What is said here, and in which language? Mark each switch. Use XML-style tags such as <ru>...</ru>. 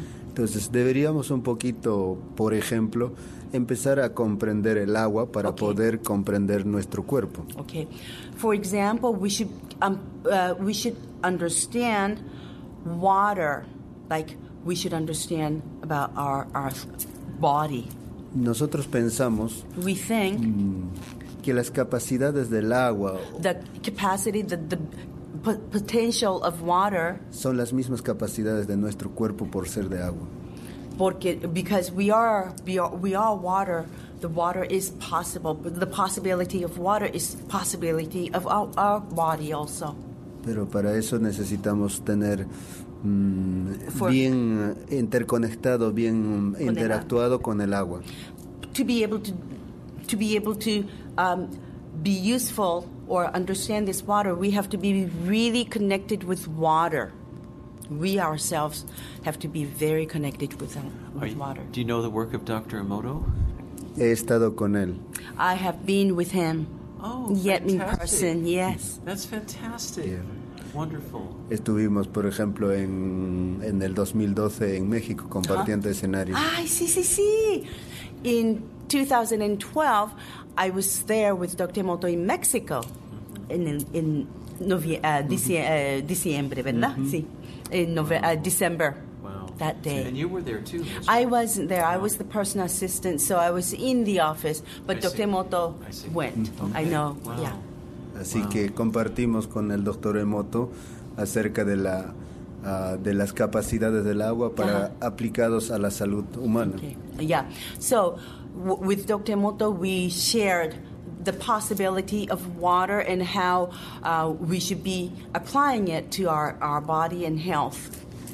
<es>Entonces, deberíamos un poquito, por ejemplo, empezar a comprender el agua para okay. poder comprender nuestro cuerpo.</es> <en>Okay. For example, we should understand water, like we should understand about our body.</en> <es>Nosotros pensamos</es> <en>we think</en> <es>que las capacidades del agua</es> <en>the capacity the potential of water</en> <es>son las mismas capacidades de nuestro cuerpo por ser de agua. Porque</es> <en>because we are water, the water is possible, the possibility of water is possibility of our body also.</en> <es>Pero para eso necesitamos tener bien interconectado, bien interactuado con el agua.</es> <en>To be able to be useful or understand this water, we have to be really connected with water. We ourselves have to be very connected with water. Do you know the work of Dr. Emoto?</en> <es>He estado con él.</es> <en>I have been with him. Oh, yet fantastic. In person, yes. That's fantastic. Yeah. Wonderful.</en> <es>Estuvimos, por ejemplo, en el 2012 en México compartiendo uh-huh. escenario. Ay, sí, sí, sí.</es> <en>In 2012, I was there with Dr. Moto in Mexico</en> <es>diciembre, ¿verdad?</es> <en>Mm-hmm. Sí. In December. Wow. That day. And you were there too. I wasn't there. Wow. I was the personal assistant, so I was in the office, but Dr. Moto went. Okay. I know. Wow. Yeah.</en> <es>Así</es> <en>wow.</en> <es>que compartimos con el doctor Emoto acerca de la de las capacidades del agua para uh-huh. aplicados a la salud humana.</es> <en>Okay. Yeah. So, with Dr. Emoto, we shared the possibility of water and how we should be applying it to our body and health.</en>